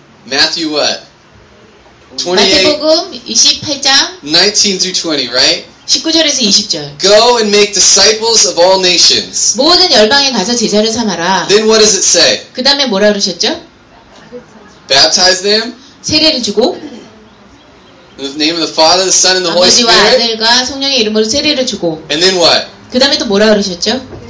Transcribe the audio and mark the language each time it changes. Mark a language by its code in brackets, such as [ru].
[en] Matthew what? [ko] 마태복음 28장 [en] 19 through 20, right? [ko] 19절에서 20절. [en] Go and make disciples of all nations. [ko] 모든 열방에 가서 제자를 삼아라. [en] Then what does it say? [ko] 그다음에 뭐라 그러셨죠? [en] Baptize them. [ko] 세례를 주고. [en] In the name of the Father, the Son, and the Holy Spirit. [ko] 아버지와 아들과 성령의 이름으로 세례를 주고. [en] And then what? [ko] 그 다음에 또 뭐라 그러셨죠?